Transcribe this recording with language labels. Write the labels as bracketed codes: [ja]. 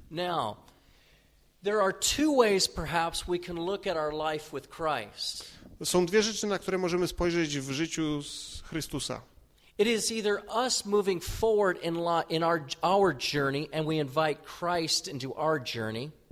[en] Now, there are two ways perhaps we can look at our life with Christ. [pl] Są dwie rzeczy, na które możemy spojrzeć w życiu z Chrystusa. [en] It is either us moving forward in our journey and we invite Christ into our journey.